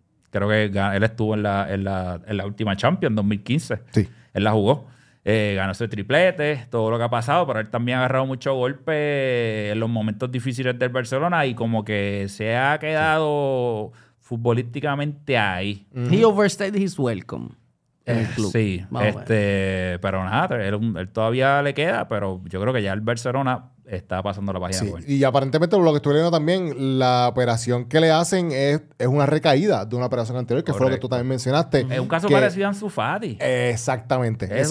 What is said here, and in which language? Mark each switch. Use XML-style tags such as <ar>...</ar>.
<es>Creo que él estuvo en la última Champions 2015. Sí. Él la jugó. Ganó ese triplete, todo lo que ha pasado, pero él también ha agarrado mucho golpe en los momentos difíciles del Barcelona y como que se ha quedado futbolísticamente ahí. Mm-hmm.</es> <en>He overstayed his welcome</en> <es>en el club. Sí, pero nada, él todavía le queda, pero yo creo que ya el Barcelona está pasando la página. Sí. Y aparentemente, lo que estuve leyendo también, la operación que le hacen es una recaída de una operación anterior, que correcto. Fue lo que tú también mencionaste. Es un caso parecido a Ansu Fati. Exactamente.</es>